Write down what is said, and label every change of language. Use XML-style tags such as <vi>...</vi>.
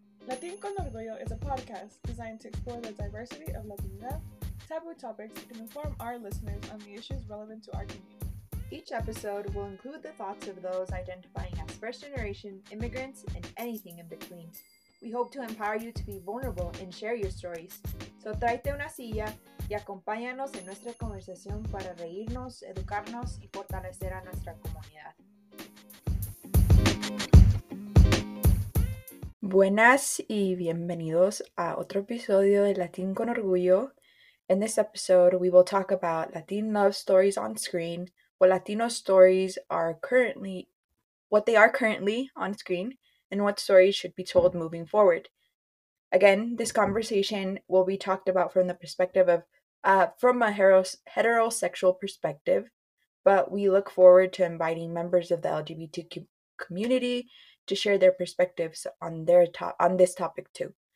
<en>Latine con Orgullo is a podcast designed to explore the diversity of Latina, taboo topics, and inform our listeners on the issues relevant to our community. Each episode will include the thoughts of those identifying as first generation, immigrants, and anything in between. We hope to empower you to be vulnerable and share your stories.</en> <es>So tráete una silla y acompáñanos en nuestra conversación para reírnos, educarnos y fortalecer a nuestra comunidad. Buenas y bienvenidos a otro episodio de Latín con Orgullo.</es> <en>In this episode, we will talk about Latin love stories on screen, what Latino stories are currently, what they are currently on screen, and what stories should be told moving forward. Again, this conversation will be talked about from the perspective of, from a heterosexual perspective, but we look forward to inviting members of the LGBTQ community to share their perspectives on their on this topic too.</en>